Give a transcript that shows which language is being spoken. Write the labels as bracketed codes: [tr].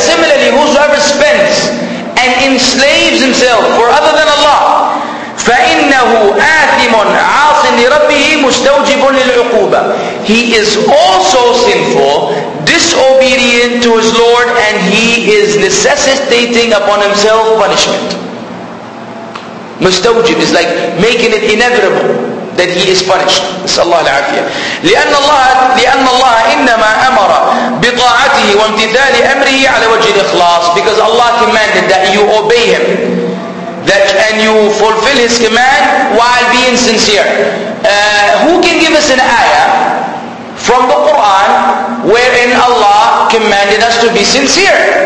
[en] Similarly, whosoever spends and enslaves himself for other than Allah, [ar] فَإِنَّهُ آثِمٌ عَاصٍ لِرَبِّهِ مُسْتَوْجِبٌ لِلْعُقُوبَةِ. [en] He is also sinful, disobedient to his Lord, and he is necessitating upon himself punishment. مُسْتَوْجِب is like making it inevitable. that he is punished. Sallallahu alaihi wasallam. [ar] لأن الله إنما أمر بطاعته وامتثال أمره على وجه الإخلاص. [en] Because Allah commanded that you obey Him, that and you fulfill His command while being sincere. Who can give us an ayah from the Quran wherein Allah commanded us to be sincere?